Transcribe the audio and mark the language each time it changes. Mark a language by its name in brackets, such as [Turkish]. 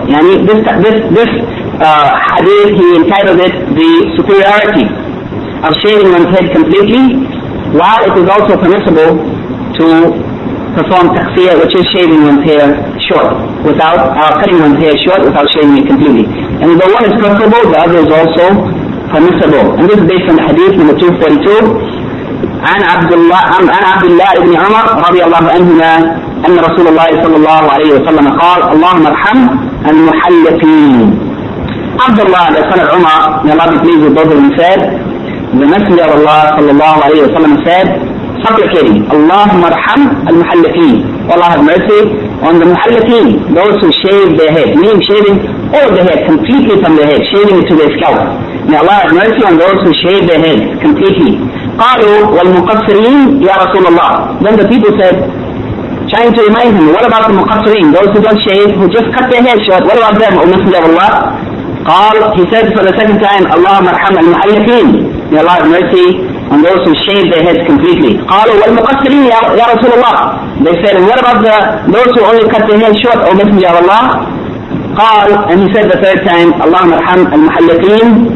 [Arabic] يعني [English] this hadith, he entitled it the superiority of shaving one's head completely, while it is also permissible to perform taqsir, which is shaving one's hair short without cutting one's hair short without shaving it completely. And the one is preferable, the other is also permissible. And this is based on the hadith number 242. [Arabic] عن عبد الله بن عمر رضي الله عنهما أن رسول الله صلى الله عليه وسلم قال اللهم ارحم المحلقين. [English] عبد الله بن عمر may Allah be pleased with both of them said, the Messenger of Allah صلى الله عليه وسلم said, supplicating, [Arabic] اللهم ارحم المحلقين. [English] Allah have mercy on the محلقين, those who shave their head, meaning shaving all of their head completely from their head, shaving it to their scalp. May Allah have mercy on those who shave their head completely. [Arabic] قالوا والمقصرين يا رسول الله. [English] Then the people said, trying to remind him, what about the مقصرين, those who don't shave, who just cut their hair short, what about them, O Messenger of Allah? [Arabic] قال, [English] he said for the second time, [Arabic] اللهم ارحم المحلقين, [English] may Allah have mercy on those who shave their heads completely. [Arabic] قالوا والمقصرين يا رسول الله. [English] They said, what about those who only cut their hair short, O Messenger of Allah? [Arabic] قال, [English] and he said the third time, [Arabic] اللهم ارحم المحلقين.